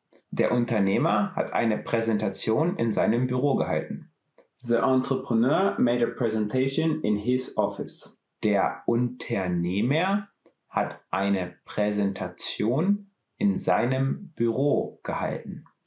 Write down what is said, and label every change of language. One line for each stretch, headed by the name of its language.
German: Der Unternehmer hat eine Präsentation in seinem Büro gehalten.
English: The entrepreneur made a presentation in his office.
German: Der Unternehmer hat eine Präsentation in seinem Büro gehalten.